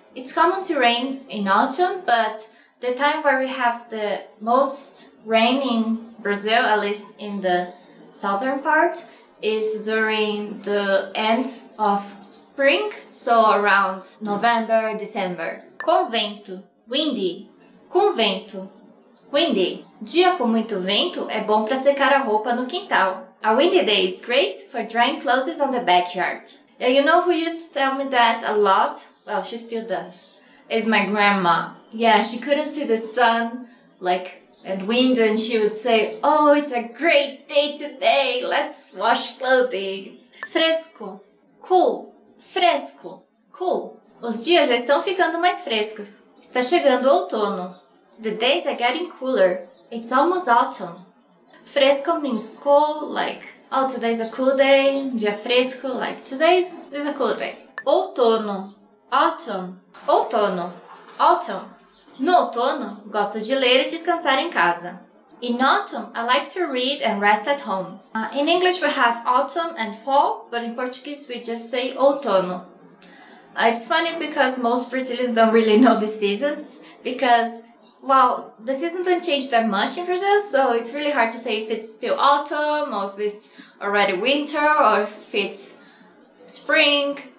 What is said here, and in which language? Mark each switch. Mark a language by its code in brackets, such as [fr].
[en] It's common to rain in autumn, but the time where we have the most rain in Brazil, at least in the southern part, is during the end of spring, so around November, December. Com vento. Windy. Com vento. Windy. [pt] Dia com muito vento é bom para secar a roupa no quintal. [en] A windy day is great for drying clothes on the backyard. And you know who used to tell me that a lot? Well, she still does. It's my grandma. Yeah, she couldn't see the sun, like, and wind, and she would say, oh, it's a great day today, let's wash clothes. Fresco. Cool. Fresco. Cool. [pt] Os dias já estão ficando mais frescos. Está chegando o outono. [en] The days are getting cooler. It's almost autumn. Fresco means cool, like, oh, today's a cool day. Dia fresco, like, today's a cool day. Outono. Autumn. Outono. Autumn. [pt] No outono, gosto de ler e descansar em casa. [en] In autumn, I like to read and rest at home. In English, we have autumn and fall, but in Portuguese, we just say outono. It's funny because most Brazilians don't really know the seasons because... Well, the seasons don't change that much in Brazil, so it's really hard to say if it's still autumn, or if it's already winter, or if it's spring.